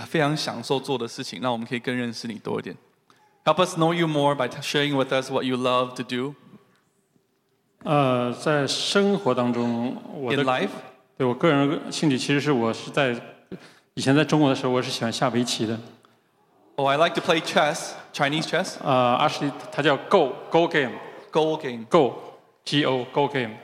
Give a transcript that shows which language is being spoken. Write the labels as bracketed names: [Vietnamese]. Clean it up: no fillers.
[Chinese] 可以跟我们分享你的兴趣，或者是你非常享受做的事情，让我们可以更认识你多一点。 [English] Help us know you more by sharing with us what you love to do. [Chinese] 在生活当中，我的对我个人兴趣，其实是我是在以前在中国的时候，我是喜欢下围棋的。 [English] Oh, I like to play chess, Chinese chess. Actually, [Chinese] 它叫 [English] Go Go Game. Go Game. Go, G O Go Game.